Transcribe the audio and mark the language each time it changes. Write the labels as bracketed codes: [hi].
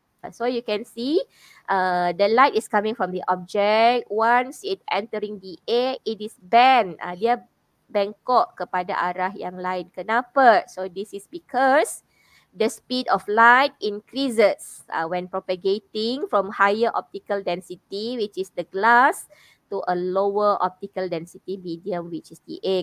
[en] So, you can see the light is coming from the object. Once it entering the air, it is bend. [ms] Dia bengkok kepada arah yang lain. Kenapa? [en] So this is because the speed of light increases when propagating from higher optical density, which is the glass, to a lower optical density medium, which is the air.